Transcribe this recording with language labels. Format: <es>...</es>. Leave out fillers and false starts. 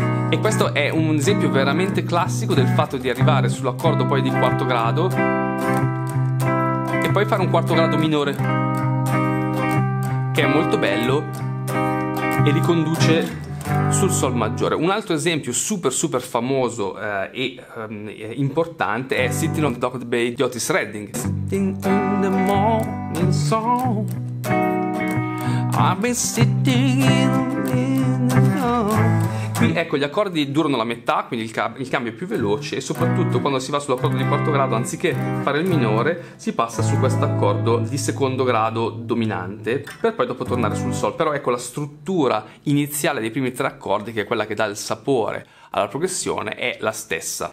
<it>E questo è un esempio veramente classico del fatto di arrivare sull'accordo poi di quarto grado e poi fare un quarto grado minore, che è molto bello e riconduce sul sol maggiore. Un altro esempio super super famoso importante è Sitting on the Dock at Bay di Otis Redding.</it> <en>Sitting in the morning sun, I've been sitting in the sun.</en> <it>Qui ecco, gli accordi durano la metà, quindi il cambio è più veloce, e soprattutto quando si va sull'accordo di quarto grado, anziché fare il minore, si passa su questo accordo di secondo grado dominante, per poi dopo tornare sul sol. Però ecco, la struttura iniziale dei primi tre accordi, che è quella che dà il sapore alla progressione, è la stessa.</it>